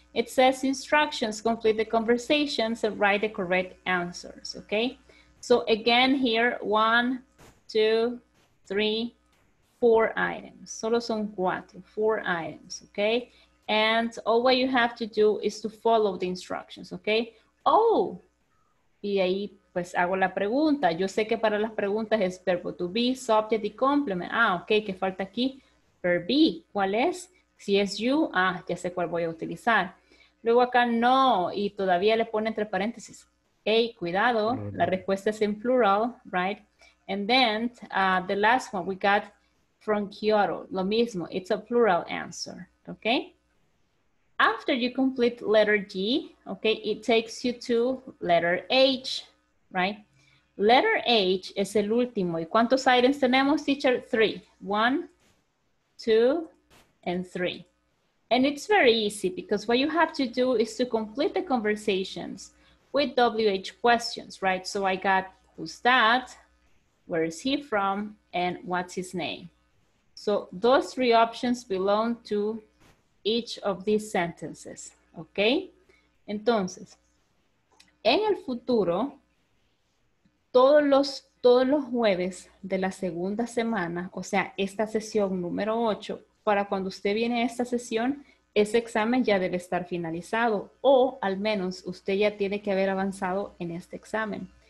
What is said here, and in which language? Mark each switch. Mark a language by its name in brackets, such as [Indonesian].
[English] It says instructions, complete the conversations and write the correct answers, okay? So again, here, one, two, three, four items. [Spanish] Solo son cuatro, [English] four items, okay? And all what you have to do is to follow the instructions, okay? [Spanish] Oh, y ahí pues hago la pregunta. Yo sé que para las preguntas es verbo to be, subject y complement. Ah, ok, ¿qué falta aquí? Verb be, ¿cuál es? Si es you, ah, ya sé cuál voy a utilizar. Luego acá no, y todavía le pone entre paréntesis. Hey, cuidado, la respuesta es en plural, right? [English] And then the last one we got from Kyoto, [Spanish] lo mismo, [English] it's a plural answer, ok? After you complete letter G, ok, it takes you to letter H. Right? [Spanish] Letter H es el último. ¿Y cuántos items tenemos, teacher? [English] Three. One, two, and three. And it's very easy because what you have to do is to complete the conversations with WH questions, right? So I got, who's that? Where is he from? And what's his name? So those three options belong to each of these sentences, okay? [Spanish] Entonces, en el futuro, todos los jueves de la segunda semana, o sea, esta sesión número 8, para cuando usted viene a esta sesión, ese examen ya debe estar finalizado o al menos usted ya tiene que haber avanzado en este examen.